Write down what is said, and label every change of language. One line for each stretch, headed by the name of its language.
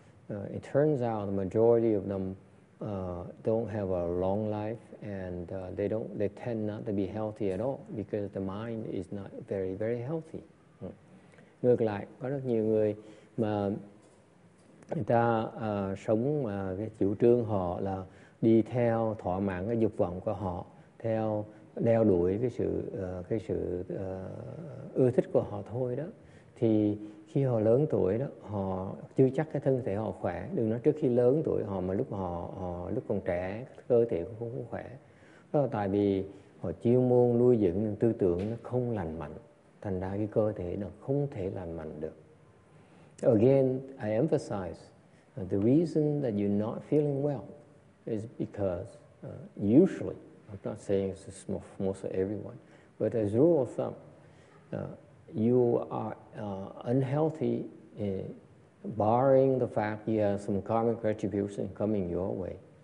English: It turns out the majority of them don't have a long life, and they tend not to be healthy at all because the mind is not very, very healthy.
Vietnamese: Ngược lại, có rất nhiều người mà người ta sống cái chủ trương họ là đi theo thỏa mãn cái dục vọng của họ, theo đeo đuổi cái sự ưa thích của họ thôi đó. Thì khi họ lớn tuổi đó, họ chưa chắc cái thân thể họ khỏe. Đừng nói trước khi lớn tuổi họ, mà lúc còn trẻ cơ thể cũng không khỏe. Đó là tại vì họ chuyên môn nuôi dưỡng tư tưởng nó không lành mạnh, thành ra cái cơ thể nó không thể lành mạnh được.
English: Again, I emphasize the reason that you're not feeling well is because usually, I'm not saying it's most of everyone, but as a rule of thumb, you are unhealthy, barring the fact you have some karmic retribution coming your way.